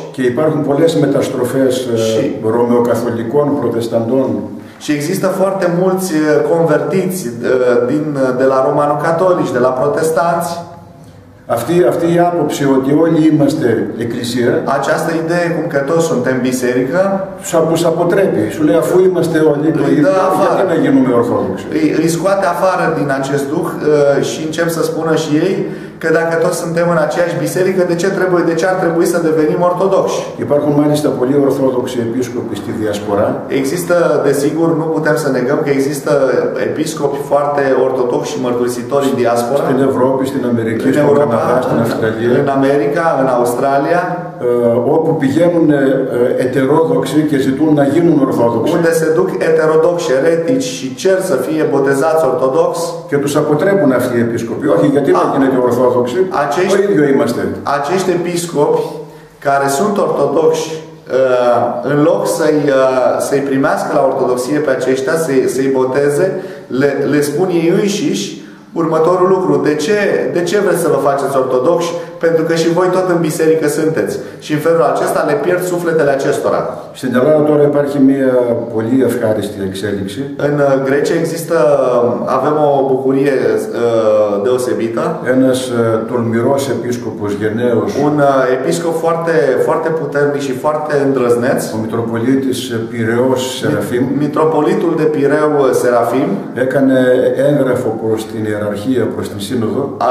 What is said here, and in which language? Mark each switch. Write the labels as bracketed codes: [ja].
[el] και υπάρχουν πολλές μεταστροφές ρωμαιοκαθολικών, προτεσταντών, [ro] și există foarte mulți convertiți de la ρωμανοκαθολικοί, de la protestanți. [el] Αυτή η άποψη ότι όλοι είμαστε εκκλησία, [ro] această idee cum că toți suntem biserică, [el] σου αποτρέπει, σου λέει αφού είμαστε όλοι το ίδιο, γιατί να γίνουμε ορθόδοξοι. [ro] Îi scoate afară din acest duh și încep să spună și ei că dacă toți suntem în aceeași biserică, de ce ar trebui să devenim ortodoxi? [el] Υπάρχουν μάλιστα πολύ ορθόδοξοι επίσκοποι στη διασπορά. [ro] Există, desigur, nu putem să negăm că există επίσκοποι foarte ortodoxi și mărturisitori în diasporă. [el] Στην Ευρώπη, στην Αμερική, στην Καναδά, στην Αυστραλία. [ro] În America, în Australia. [el] Όπου πηγαίνουν ετερόδοξοι και ζητούν να γίνουν ορθόδοξοι. [ro] Unde se duc ετερόδοξοι ερέτηξοι și cer să fie botezați ortodoxi. [el] Και τους αποτρέπουν αυτοί οι επίσκοποι. Όχι, γιατί να γίνετε ορθόδοξοι. Το ίδιο είμαστε. [ro] Acești επίσκοποι care sunt ortodoxi, în loc să-i primească la ortodoxie pe aceștia, să-i boteze, le spun ei înșiși următorul lucru. De ce vreți să vă faceți ortodoxi? Pentru că și voi tot în biserică sunteți. Și în felul acesta le pierd sufletele acestora. [el] Στην Ελλάδα τώρα υπάρχει μια πολύ ευχάριστη εξέλιξη. [ro] În Grecia există, avem o bucurie deosebită. [el] Ένας τολμηρός επίσκοπος, γενναίος. [ro] Un episcop foarte, foarte puternic și foarte îndrăzneț. [el] Ο Μητροπολίτης Πειραιός Σεραφείμ. [ro] Μητροπολίτου de Pireu Serafim. [el] Έκανε έγγραφο προς την ιεραρχία, προς την σύνοδο.